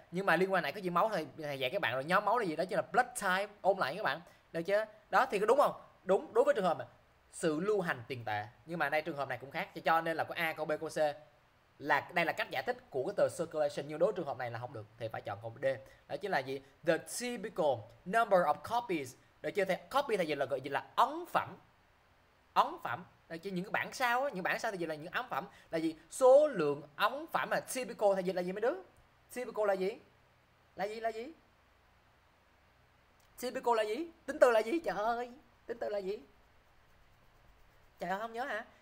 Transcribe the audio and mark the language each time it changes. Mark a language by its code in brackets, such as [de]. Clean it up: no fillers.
[vi] Nhưng mà liên quan này có gì máu thầy dạy các bạn rồi, nhóm máu là gì? Đó chính là blood type. Ôm lại các bạn. Được chưa? Đó thì có đúng không? Đúng, đối với trường hợp này sự lưu hành tiền tệ, nhưng mà đây trường hợp này cũng khác, cho nên là có A, câu B, câu C là đây là cách giải thích của cái từ circulation, nhưng đối trường hợp này là không được thì phải chọn câu D. Đó chính là gì? [en] The typical number of copies. [vi] Được chưa? Thì copy thì dịch là gọi là ấn phẩm. Ấn phẩm là chứ những cái bản sao, những bản sao thì dịch là những ấn phẩm, là gì? Số lượng ấn phẩm là typical thì dịch là gì mấy đứa? Typical là gì? Là gì? Là gì? Typical là gì? Tính từ là gì? Trời ơi, tính từ là gì? Trời ơi, không nhớ hả?